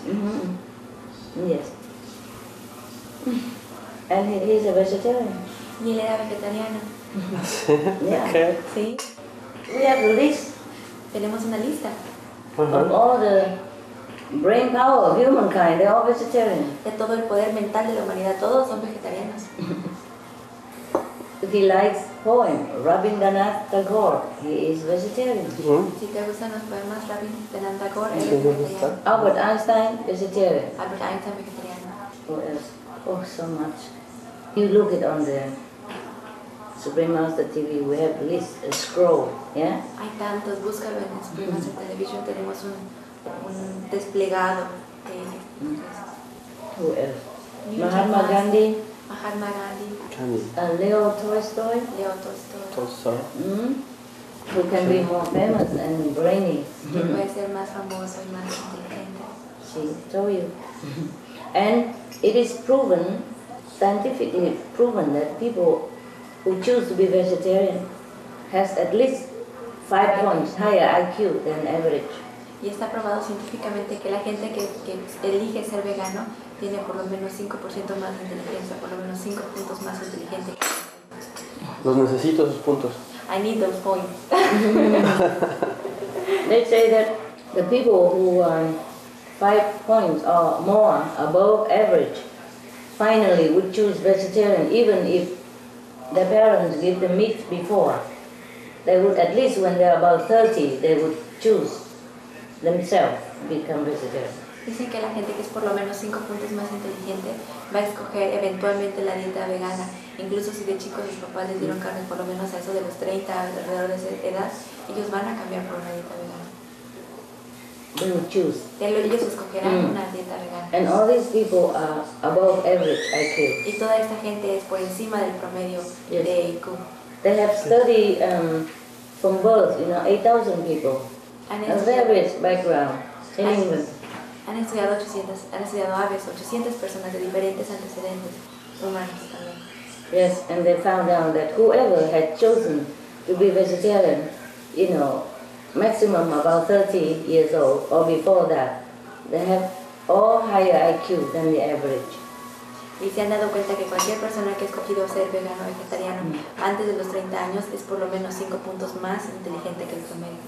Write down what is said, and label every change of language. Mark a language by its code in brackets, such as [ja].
[en] Mm-hmm. Yes. And he is a vegetarian. [es] Y él era vegetariano. [en] Yeah. Okay. [es] Sí. [en] We have a list. [es] Tenemos una lista. Uh-huh. [en] Of all the brain power of humankind, they're all vegetarian. [es] De todo el poder mental de la humanidad, todos son vegetarianos. [en] He likes poem, Rabindranath Tagore. He is vegetarian. [es] Mm-hmm. Si te gustan los poemas, Rabindranath Tagore, él es vegetarian. [en] Albert Einstein, vegetarian. [es] Albert Einstein, vegetariano. [en] Who else? Oh, so much. You look it on the Supreme Master TV, we have a list, a scroll, yeah? [es] Hay tantos, búscalo en Supreme Master Television, tenemos un desplegado de [en] Who else? Mahatma Gandhi. Mahatma Gandhi. Leo Tolstoy. Leo Tolstoy. Tolstoy. Mm-hmm. Who can be more famous and brainy? Who [es] puede ser más famoso y más inteligente. Sí, [en] told you. And it is proven, scientifically proven, that people who choose to be vegetarian has at least 5 points higher IQ than average. [es] Y está probado científicamente que la gente que elige ser vegano tiene por lo menos 5% más de inteligencia, por lo menos 5 puntos más inteligente. Los necesito esos puntos. [en] I need those points. They say that the people who are 5 points or more above average finally would choose vegetarian even if their parents give them meat before. They would at least when they are about 30 they would choose themselves become vegetarian. [es] Dicen que la gente que es por lo menos 5 puntos más inteligente va a escoger eventualmente la dieta vegana. Incluso si de chicos sus papás les dieron carne por lo menos a eso de los 30, alrededor de esa edad, ellos van a cambiar por una dieta vegana. [en] They will choose. [es] Ellos escogerán una dieta vegana. [en] And all these people are above average IQ. [es] Y toda esta gente es por encima del promedio de IQ. [en] They have studied from birth, you know, 8,000 people. [es] Han estudiado 800, han estudiado aves, 800 personas de diferentes antecedentes humanos también. [en] Yes, and they found out that whoever had chosen to be vegetarian, you know, maximum about 30 years old or before that, they have all higher IQ than the average. [es] Y se han dado cuenta que cualquier persona que ha escogido ser vegano o vegetariano antes de los 30 años es por lo menos 5 puntos más inteligente que el promedio.